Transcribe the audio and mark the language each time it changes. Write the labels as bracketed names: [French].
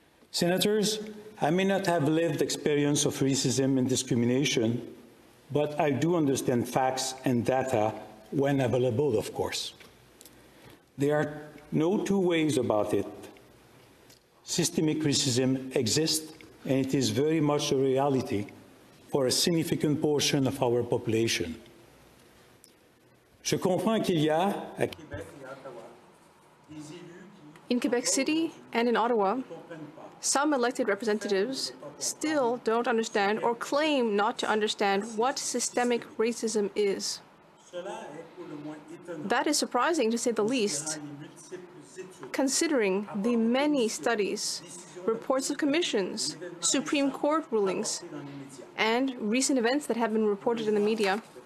[English] Senators, I may not have lived experience of racism and discrimination, but I do understand facts and data when available, of course. There are no two ways about it. Systemic racism exists, and it is very much a reality for a significant portion of our population. [French] Je comprends qu'il y a à Québec et Ottawa des élus [English] in Quebec City and in Ottawa, some elected representatives still don't understand or claim not to understand what systemic racism is. That is surprising, to say the least, considering the many studies, reports of commissions, Supreme Court rulings, and recent events that have been reported in the media.